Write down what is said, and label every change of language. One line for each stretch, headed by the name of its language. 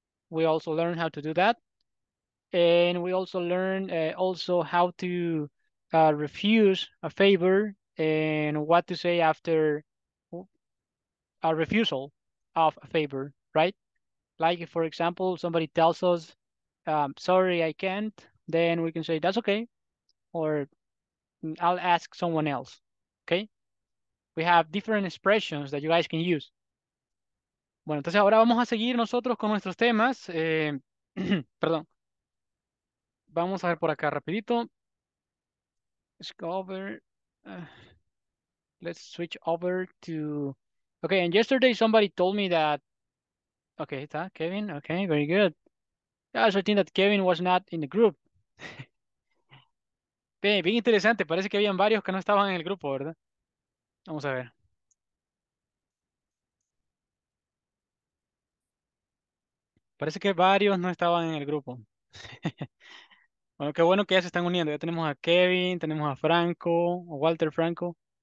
English: We also learned how to do that. And we also learned also how to refuse a favor and what to say after a refusal of a favor, right? Like, for example, somebody tells us, sorry, I can't, then we can say, that's okay, or I'll ask someone else, okay? We have different expressions that you guys can use.
Spanish: Bueno, entonces ahora vamos a seguir nosotros con nuestros temas. perdón. Vamos a ver por acá rapidito. Discover.
English: Let's switch over to... Okay, and yesterday somebody told me that... Okay,
Spanish: está Kevin.
English: Okay, very good. Yeah, so I think that Kevin was not in the group.
Spanish: Bien, bien interesante. Parece que habían varios que no estaban en el grupo, ¿verdad? Vamos a ver. Parece que varios no estaban en el grupo. Bueno, qué bueno que ya se están uniendo. Ya tenemos a Kevin, tenemos a Franco, o Walter Franco.